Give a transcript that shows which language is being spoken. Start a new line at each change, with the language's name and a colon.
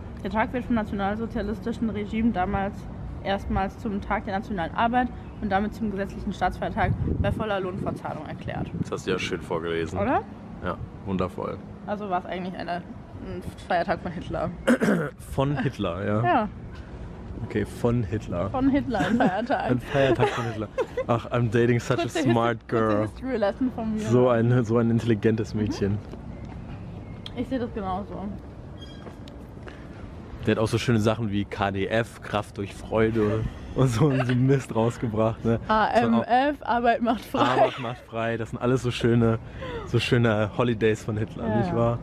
German: Der Tag wird vom nationalsozialistischen Regime damals erstmals zum Tag der nationalen Arbeit und damit zum gesetzlichen Staatsfeiertag bei voller Lohnfortzahlung erklärt. Das hast du ja schön vorgelesen. Oder? Ja, wundervoll. Also war es eigentlich ein Feiertag von Hitler. Von Hitler, ja. Ja. Okay, von Hitler. Von Hitler, ein Feiertag. Ein Feiertag von Hitler.
English: Ach, I'm dating such a smart girl.
German: Das ist die History Lesson von mir. So ein intelligentes Mädchen. Ich sehe das genauso. Der hat auch so schöne Sachen wie KDF, Kraft durch Freude und so Mist rausgebracht. Ne? AMF, Arbeit macht frei. Arbeit macht frei, das sind alles so schöne Holidays von Hitler, ja, nicht wahr?